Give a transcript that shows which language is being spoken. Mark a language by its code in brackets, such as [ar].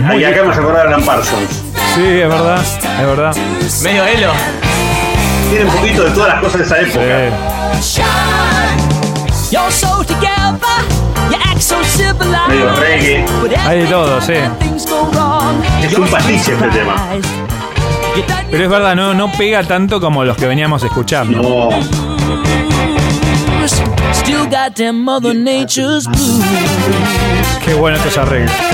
[es] muy y acá me acordaron Alan Parsons. Sí, es verdad, es verdad. Medio elo. Tiene un poquito de todas las cosas de esa época. Sí. [en] You're so together, you act so civilized. [es] Medio reggae. Hay de todo, sí. Es un pastiche este tema. Pero es verdad, no pega tanto como los que veníamos escuchando. No. [en] Still got them Mother Nature's blues. [es] Qué bueno estos arreglos.